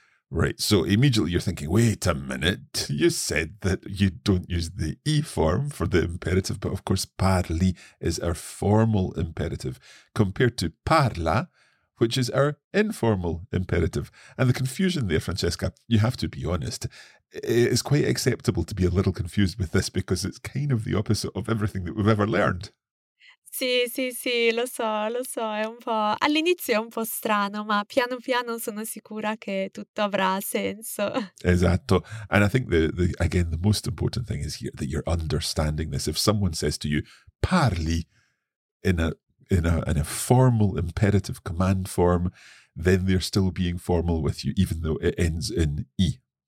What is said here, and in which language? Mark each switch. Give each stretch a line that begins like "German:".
English: Right, so immediately you're thinking, wait a minute, you said that you don't use the E form for the imperative, but of course parli is our formal imperative compared to parla, which is our informal imperative. And the confusion there, Francesca, you have to be honest, it's quite acceptable to be a little confused with this, because it's kind of the opposite of everything that we've ever learned.
Italian: Sì, sì, sì, lo so, è un po'... all'inizio è un po' strano, ma piano piano sono sicura che tutto avrà senso. Esatto.
English: And I think, again, the most important thing is here, that you're understanding this. If someone says to you, parli, in a formal imperative command form, then they're still being formal with you, even though it ends in I.